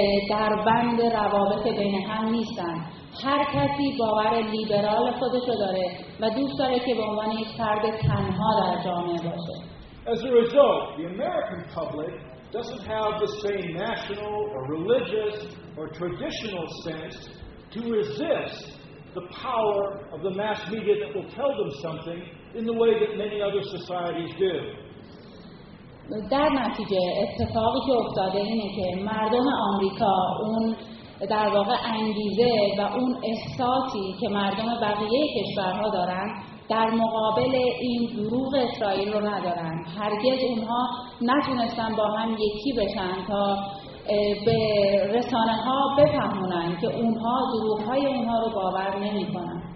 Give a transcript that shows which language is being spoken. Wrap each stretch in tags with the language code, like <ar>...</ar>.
<fa>در بند روابط بین هم نیستن. هر کسی باور لیبرال خودشو داره و دوست داره که به عنوان یک فرد تنها در جامعه باشه.</fa> <en>As a result, the American public doesn't have the same national or religious or traditional sense to resist the power of the mass media that will tell them something in the way that many other societies do.</en> <fa>در نتیجه اتفاقی که افتاده اینه که مردم آمریکا اون در واقع انگیزه و اون احساسی که مردم بقیه کشورها دارن در مقابل این دروغ اسرائیل رو ندارن. هرگز اونها نتونستن با هم یکی بشن تا به رسانه ها بفهمونن که اونها دروغ های اونها رو باور نمی کنن.</fa>